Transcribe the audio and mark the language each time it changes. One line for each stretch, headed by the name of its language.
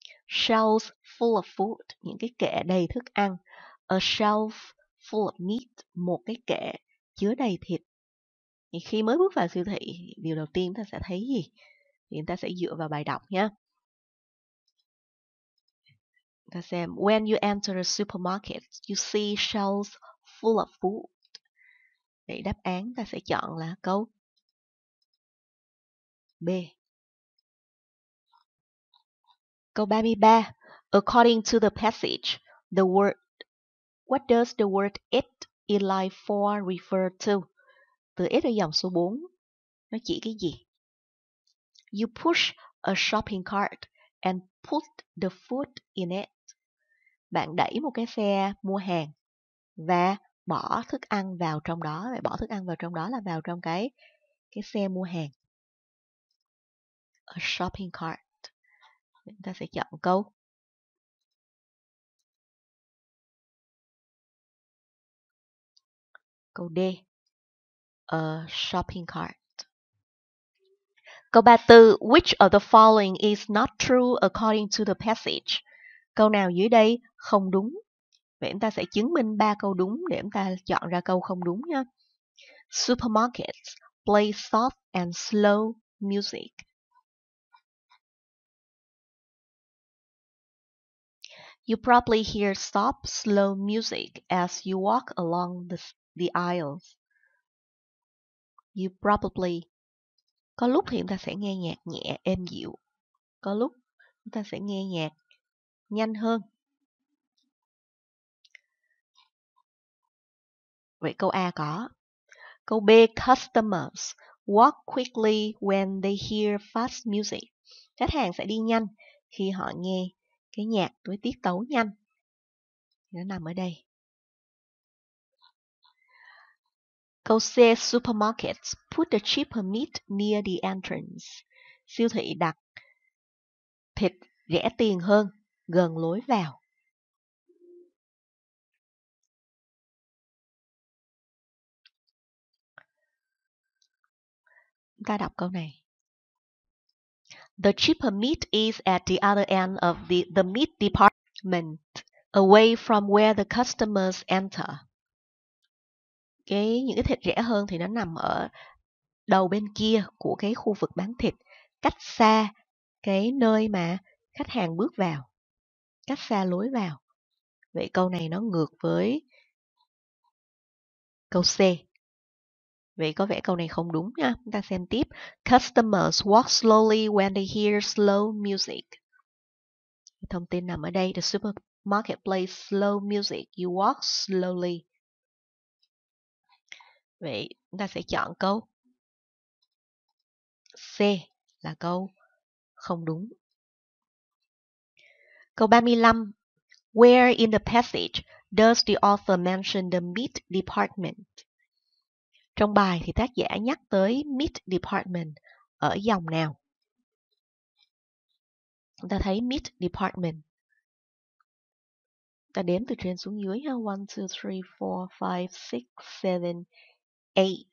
English: Shelves full of food,
Vietnamese: những cái kệ đầy thức ăn.
English: A shelf full of meat,
Vietnamese: một cái kệ chứa đầy thịt. Thì khi mới bước vào siêu thị, điều đầu tiên ta sẽ thấy gì? Thì chúng ta sẽ dựa vào bài đọc nhé. Ta xem,
English: when you enter a supermarket, you see shelves full of food.
Vietnamese: Để đáp án ta sẽ chọn là câu B. Câu 33.
English: According to the passage, the word, what does the word it in line 4 refer to?
Vietnamese: Từ it ở dòng số 4 nó chỉ cái gì?
English: You push a shopping cart and put the food in it.
Vietnamese: Bạn đẩy một cái xe mua hàng và bỏ thức ăn vào trong đó. Bạn bỏ thức ăn vào trong đó là vào trong cái xe mua hàng.
English: A shopping cart.
Vietnamese: Chúng ta sẽ chọn câu câu D.
English: A shopping cart.
Vietnamese: Câu 34.
English: Which of the following is not true according to the passage?
Vietnamese: Câu nào dưới đây không đúng? Vậy chúng ta sẽ chứng minh ba câu đúng để chúng ta chọn ra câu không đúng nhé.
English: Supermarkets play soft and slow music. You probably hear soft, slow music as you walk along the aisles. You probably.
Vietnamese: Có lúc thì chúng ta sẽ nghe nhạc nhẹ, êm dịu. Có lúc chúng ta sẽ nghe nhạc nhanh hơn. Vậy câu A có. Câu B,
English: customers walk quickly when they hear fast music.
Vietnamese: Khách hàng sẽ đi nhanh khi họ nghe cái nhạc với tiết tấu nhanh. Nó nằm ở đây. Câu C,
English: supermarkets put the cheaper meat near the entrance.
Vietnamese: siêu thị đặt thịt rẻ tiền hơn gần lối vào. Ta đọc câu này.
English: The cheaper meat is at the other end of the meat department, away from where the customers enter.
Vietnamese: Những cái thịt rẻ hơn thì nó nằm ở đầu bên kia của cái khu vực bán thịt, cách xa cái nơi mà khách hàng bước vào, cách xa lối vào. Vậy câu này nó ngược với câu C. Vậy có vẻ câu này không đúng nha. Chúng ta xem tiếp.
English: Customers walk slowly when they hear slow music.
Vietnamese: Thông tin nằm ở đây.
English: The supermarket plays slow music. You walk slowly.
Vietnamese: Vậy chúng ta sẽ chọn câu C là câu không đúng. Câu 35.
English: Where in the passage does the author mention the meat department?
Vietnamese: Trong bài thì tác giả nhắc tới meat department ở dòng nào? Chúng ta thấy meat department. Ta đếm từ trên xuống dưới ha. 1, 2, 3, 4, 5, 6, 7, 8.